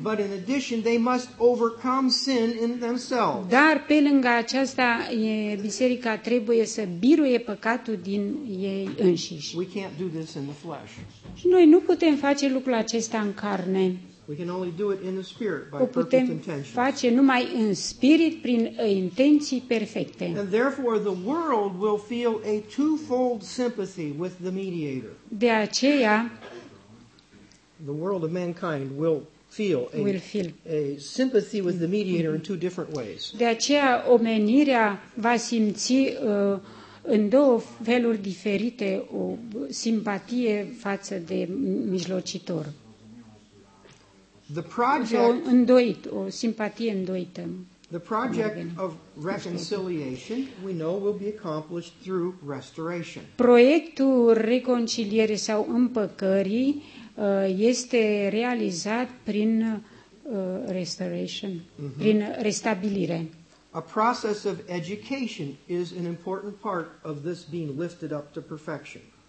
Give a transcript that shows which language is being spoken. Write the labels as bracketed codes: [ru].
[en] But in addition, they must overcome sin in themselves. [ro] Dar pe lângă aceasta, biserica trebuie să biruie păcatul din ei înșiși. [en] We can't do this in the flesh. [ro] Și noi nu putem face lucrul acesta în carne. [en] We can only do it in the spirit by [ro] o putem [en] perfect intentions. [ro] Face numai în spirit prin intenții perfecte. [en] And therefore the world will feel a twofold sympathy with the mediator. [ro] De aceea [en] the world of mankind will feel a sympathy with the mediator in two different ways. [ro] De aceea omenirea va simți în două feluri diferite o simpatie față de mijlocitor. [en] The project [ro] îndoit, o simpatie îndoită. [en] The project of reconciliation, we know, will be accomplished through restoration. [ro] Proiectul reconcilierii sau împăcării este realizat prin restoration, mm-hmm. prin restabilire. [en] A process of education is an important part of this being lifted up to perfection.